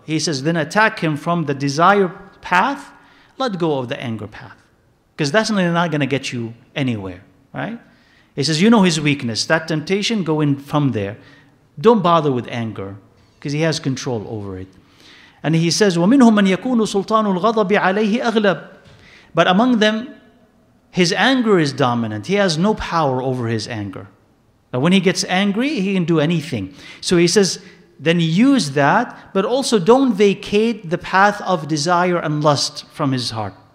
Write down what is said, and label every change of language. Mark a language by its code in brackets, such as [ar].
[en] He says, then attack him from the desire path, let go of the anger path. Because that's not going to get you anywhere, right? He says, you know his weakness, that temptation, go in from there. Don't bother with anger, because he has control over it. And he says, [ar] وَمِنْهُمْ مَنْ يَكُونُ سُلْطَانُ الْغَضَبِ عَلَيْهِ أَغْلَبِ. [en] But among them, his anger is dominant. He has no power over his anger. But when he gets angry, he can do anything. So he says, then use that, but also don't vacate the path of desire and lust from his heart.